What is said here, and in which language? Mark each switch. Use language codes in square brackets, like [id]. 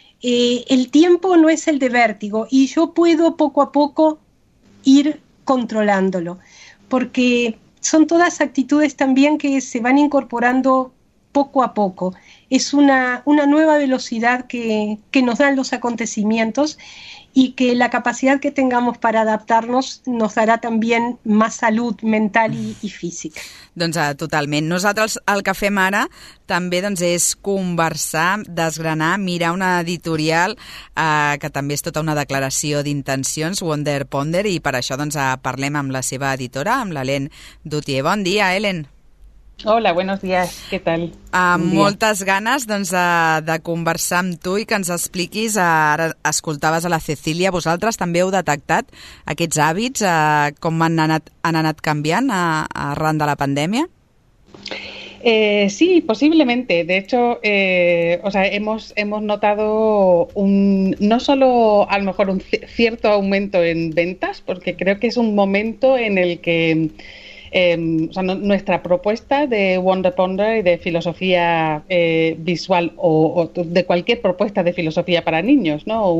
[es] El tiempo no es el de vértigo y yo puedo poco a poco ir controlándolo, porque son todas actitudes también que se van incorporando poco a poco. Es una nueva velocidad que nos dan los acontecimientos y que la capacidad que tengamos para adaptarnos nos dará también más salud mental y física. [ca] Doncs totalment. Nosaltres el que fem ara també doncs, és conversar, desgranar, mirar una editorial que també és tota una declaració d'intencions, Wonder Ponder, i per això doncs, parlem amb la seva editora, amb l'Hélène Dautier. Bon dia, Hélène. [es] Hola, buenos días. ¿Qué tal? Buen día. [ca] Moltes ganes doncs, de conversar amb tu i que ens expliquis, ara escoltaves a la Cecília, vosaltres també heu detectat aquests hàbits, com han anat canviant arran de la pandèmia? [es] Sí, posiblemente. De hecho, o sea, hemos notado no solo a lo mejor un cierto aumento en ventas, porque creo que es un momento en el que o sea, no, nuestra propuesta de Wonder Ponder y de filosofía visual o de cualquier propuesta de filosofía para niños, ¿no?